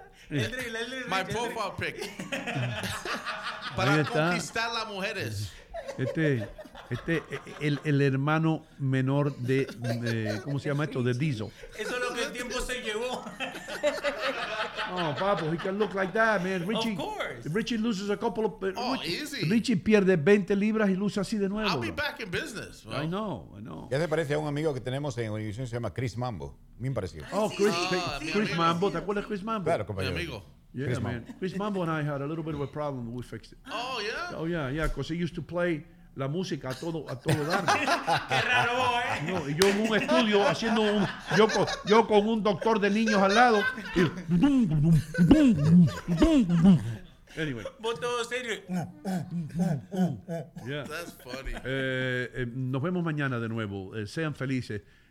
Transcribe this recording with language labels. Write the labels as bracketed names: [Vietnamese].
[Spanish] Ahí está. [English] My profile pic. [Spanish] Para conquistar las mujeres. Este es el hermano menor de ¿cómo se llama esto? De Diesel. Eso es lo que el tiempo se llevó. [English] No, oh, papo, he can look like that, man. Richie, of course. Richie loses a couple of... Oh, easy. [Spanish] Richie pierde 20 libras y luce así de nuevo. [English] I'll be back in business. Bro. I know. [Spanish] ¿Qué te parece a un amigo que tenemos en Univision? Se llama Chris Mambo. Bien parecido. Chris Mambo. ¿Te acuerdas de Chris Mambo? Claro, compañero. Mi amigo. [English] Yeah, Chris man. Chris Mambo and I had a little bit of a problem, but we fixed it. Oh, yeah? Oh, yeah, yeah, because he used to play... [Spanish] La música a todo dar. Qué raro, ¿eh? No, y yo en un estudio haciendo un. Yo con un doctor de niños al lado. Y, bum, bum, bum, bum, bum, bum, bum. Anyway. ¿Vos todo serio? [English] Yeah. That's funny. [Spanish] Nos vemos mañana de nuevo. Sean felices.